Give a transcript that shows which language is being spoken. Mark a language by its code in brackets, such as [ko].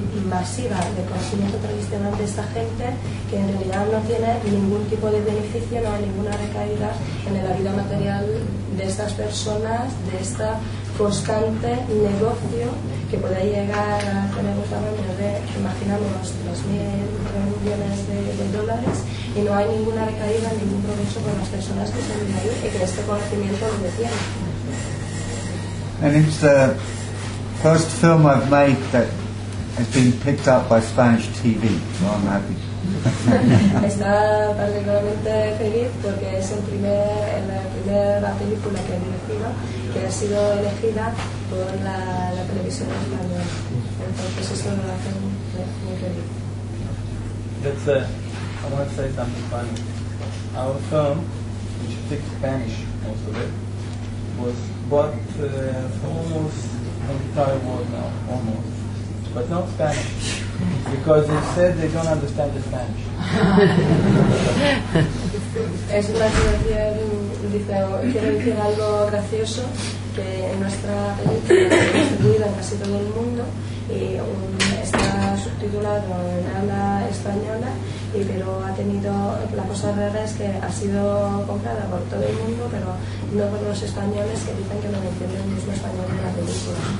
[es] masiva de conocimiento tradicional de esta gente, que en realidad no tiene ningún tipo de beneficio, no hay ninguna recaída en la vida material de estas personas, de este constante negocio que puede llegar a tener un tamaño de, imaginamos, 2.000 millones de dólares, y no hay ninguna recaída, ningún provecho con las personas que están ahí y que este conocimiento lo detiene. [en] First film I've made that has been picked up by Spanish TV, so I'm happy. [es] Está particularmente feliz porque es la primera película que he dirigido que ha sido elegida por la televisión española. Entonces eso lo hace muy feliz. [en] I want to say something funny. Our film, which speaks Spanish most of it, was bought almost entire world now, almost, but not Spanish, because they said they don't understand the Spanish. [es] Es una situación, quiero decir algo gracioso, que nuestra película ha distribuido en casi todo el mundo y está subtitulado en habla española, pero ha tenido la cosa rara es que ha sido comprada por todo el mundo, pero no por los españoles, que dicen que no entienden el mismo español en la película.